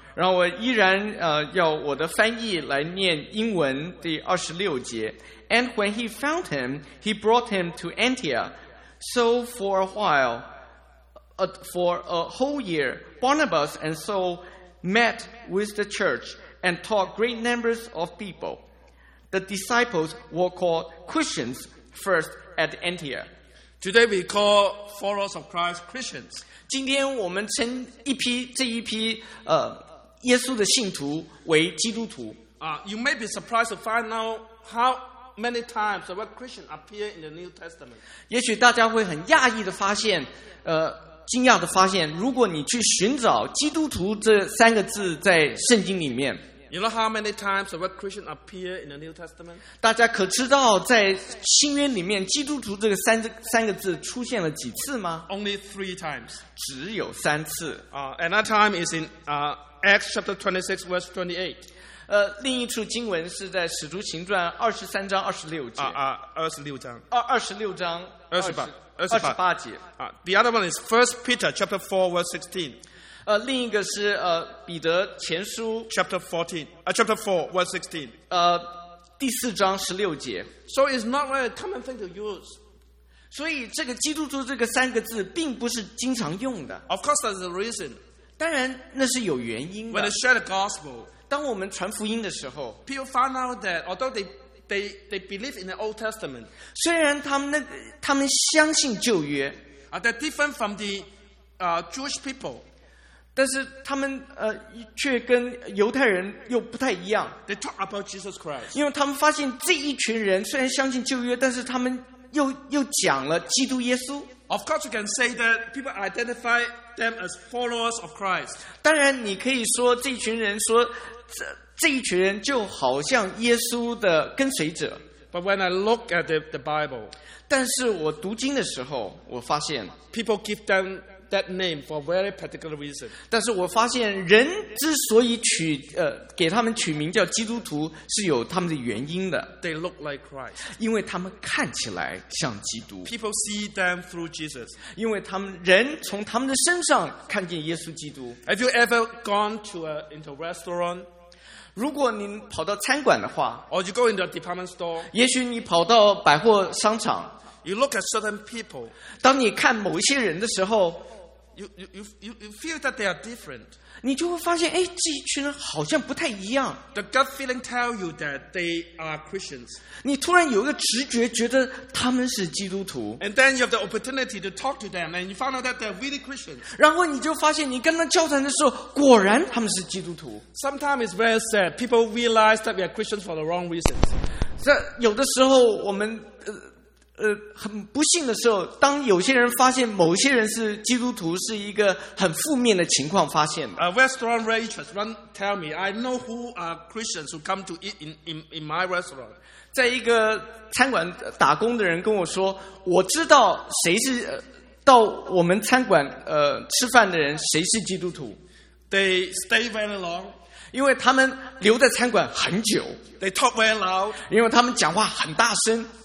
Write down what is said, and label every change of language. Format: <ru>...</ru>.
<zh>然后我依然要我的翻译来念英文第二十六节。</zh> <en>And when he found him, he brought him to Antioch. So for a while, for a whole year, Barnabas and Saul met with the church and taught great numbers of people. The disciples were called Christians first at Antioch. Today we call followers of Christ Christians.</en> <zh>今天我们称这一批耶稣的信徒为基督徒。</zh> <en>You may be surprised to find out how. Many times the word Christian appear in the New Testament.</en> <zh>也许大家会很讶异的发现，惊讶的发现，如果你去寻找"基督徒"这三个字在圣经里面</zh> <en>You know how many times the word Christian appear in the New Testament?</en> <zh>大家可知道在新约里面基督徒这个 三个字出现了几次吗？</zh> <en>Only three times.</en> <zh>只有三次。</zh> <en>And that time is in Acts chapter 26 verse 28.</en> <zh>另一处经文是在使徒行传二十三章二十六节。二十八节。</zh> <en>The other one is 1 Peter chapter 4 verse 16.</en> <zh>另一个是彼得前书</zh> <en>chapter 4 verse 16</en> <zh>第四章十六节。</zh> <en>So it's not a common thing to use.</en> <zh>所以这个基督徒这个三个字并不是经常用的。</zh> <en>Of course, there's a reason.</en> <zh>当然那是有原因的。</zh> <en>When they share the gospel,</en> <zh>当我们传福音的时候</zh> <en>，people find out that although they believe in the Old Testament,</en> <zh>虽然他们相信旧约</zh> <en>they're different from the Jewish people.</en> <zh>但是他们却跟犹太人又不太一样。</zh> <en>They talk about Jesus Christ.</en> <zh>因为他们发现这一群人虽然相信旧约，但是他们又讲了基督耶稣。</zh> <en>Of course, you can say that people identify them as followers of Christ.</en> <zh>当然，你可以说这一群人说这一群人就好像耶稣的跟随者。</zh> <en>But when I look at the Bible,</en> <zh>但是我读经的时候，我发现</zh> <en>people give them. That name for a very particular reason.</en> <zh>但是我发现人之所以给他们取名叫基督徒是有他们的原因的。</zh> <en>They look like Christ.</en> <zh>因为他们看起来像基督。</zh> <en>People see them through Jesus.</en> <zh>因为他们人从他们的身上看见耶稣基督。</zh> <en>Have you ever gone to into a restaurant?</en> <zh>如果你跑到餐馆的话</zh> <en>Or you go into a department store.</en> <zh>也许你跑到百货商场。</zh> <en>You look at certain people.</en> <zh>当你看某一些人的时候</zh> <en>you feel that they are different.</en> <zh>你就会发现哎，这一群人好像不太一样。</zh> <en>The gut feeling tells you that they are Christians.</en> <zh>你突然有一个直觉觉得他们是基督徒。</zh> <en>And then you have the opportunity to talk to them and you find out that they are really Christians.</en> <zh>然后你就发现你跟他交谈的时候果然他们是基督徒。</zh> <en>Sometimes it's very sad. People realize that we are Christians for the wrong reasons.</en> <zh>有的时候我们很不幸的时候，当有些人发现某些人是基督徒，是一个很负面的情况发现的。</zh> <en>Restaurant waitress, one tell me, I know who are Christians who come to eat in my restaurant.</en> <zh>在一个餐馆打工的人跟我说，我知道谁是到我们餐馆吃饭的人，谁是基督徒。</zh> <en>They stay very long.</en> <zh>因为他们留在餐馆很久。</zh> <en>They talk very loud.</en> <zh>因为他们讲话很大声。</zh>